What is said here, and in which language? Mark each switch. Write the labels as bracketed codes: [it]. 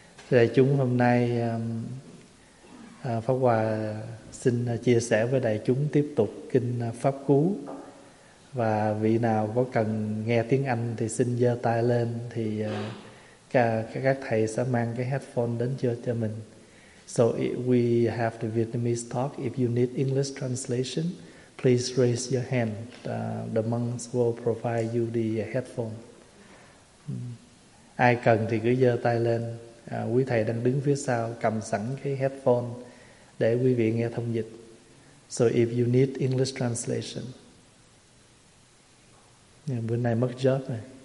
[vi] Thì đại chúng hôm nay, Pháp Hòa xin chia sẻ với đại chúng tiếp tục kinh Pháp Cú. Và vị nào có cần nghe tiếng Anh thì xin giơ tay lên, thì các thầy sẽ mang cái headphone đến cho mình. [en] So we have the Vietnamese talk. If you need English translation, please raise your hand. The monks will provide you the headphone. [vi] Ai cần thì cứ giơ tay lên. Quý thầy đang đứng phía sau cầm sẵn cái headphone để quý vị nghe thông dịch. [en] So if you need English translation. [vi] Bữa nay mất job này.